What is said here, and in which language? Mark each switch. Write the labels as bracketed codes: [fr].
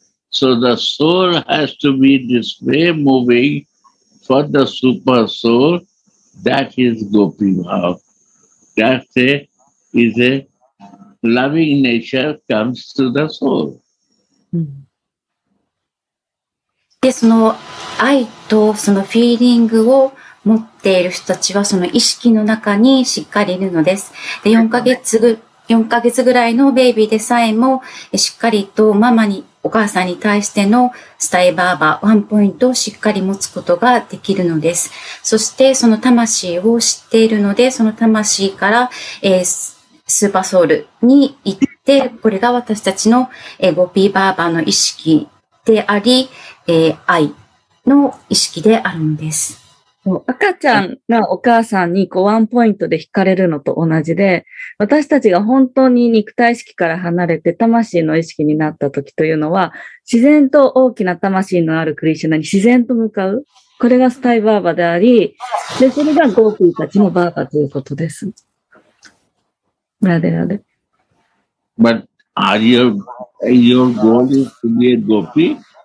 [en] So the soul has to be this way moving for the super soul. That is gopi bhav. That is a loving nature comes to the soul. [ja] で、その愛とそのフィーリングを持っている人たちはその意識の中にしっかりいるのです。で4ヶ月ぐらいのベイビーでさえもしっかりとママにお母さんに対してのスタイバーバーワンポイントをしっかり持つことができるのです。そしてその魂を知っているのでその魂から、スーパーソウルに行って、これが私たちのゴピーバーバーの意識であり、愛の意識であるんです。赤ちゃんがお母さんにこうワンポイントで惹かれるのと同じで、私たちが本当に肉体意識から離れて魂の意識になった時というのは、自然と大きな魂のあるクリシュナに自然と向かう。これがスタイバーバであり、で、それがゴーピーたちのバーバということです。なでなで。 [en] But are you, your goal is to be a gopi?